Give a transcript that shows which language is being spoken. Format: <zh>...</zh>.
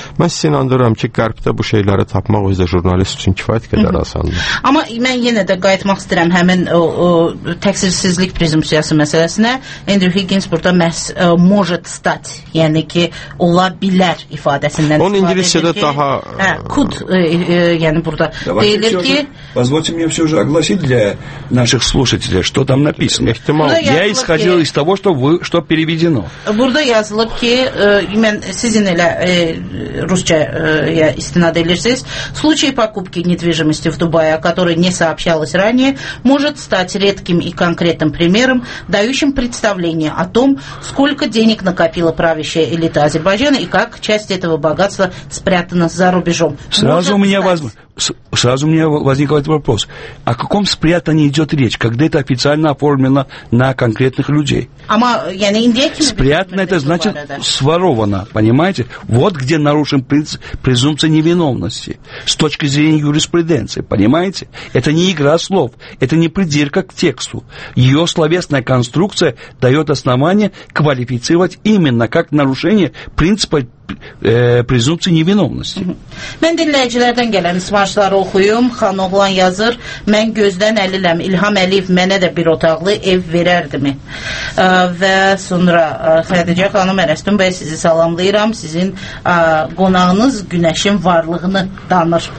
<az>Mən sizə inandırıram ki, Qərbdə bu şeyləri tapmaq özü də jurnalist üçün kifayət qədər asandır. Amma mən yenə də qayıtmaq istəyirəm həmin təqsirsizlik prezumsiyası məsələsinə. Andrew Higgins burada məhz</az> <ru>может стать,</ru> <az>yəni ki, ola bilər ifadəsindən istifadə edir ki, onun ingiliscədə daha could, yəni burada deyilir ki,</az> <ru>позвольте мне всё же огласить для наших слушателей, что там написано.</ru> <az>Ehtimal</az> <ru>Я исходил из того, что переведено.</ru> <az>Burada yazılıb ki, mən sizin elə rusçaya istinad edirsiniz.</az> <ru>Случай покупки недвижимости в Дубае, о которой не сообщалось ранее, может стать редким и конкретным примером, дающим представление о том, сколько денег накопила правящая элита Азербайджана и как часть этого богатства спрятана за рубежом. Сразу у меня возможно. сразу у меня возникает вопрос. О каком спрятании идет речь, когда это официально оформлено на конкретных людей? Спрятано, это значит своровано, понимаете? Вот где нарушен презумпция невиновности с точки зрения юриспруденции, понимаете? Это не игра слов, это не придирка к тексту. Ее словесная конструкция дает основание квалифицировать именно как нарушение принципа презумпции невиновности.</ru> <az>Мен dinləyicilərdən gələn mesajları oxuyum. Xan oğlan yazır: "Mən gözdən əliləm. İlham Əliyev mənə də bir otaqlı ev verərdimi?" Və sonra Xədicə xanım Ərəstun bəy, sizi salamlayıram. Sizin qonağınız günəşin varlığını danır.</az>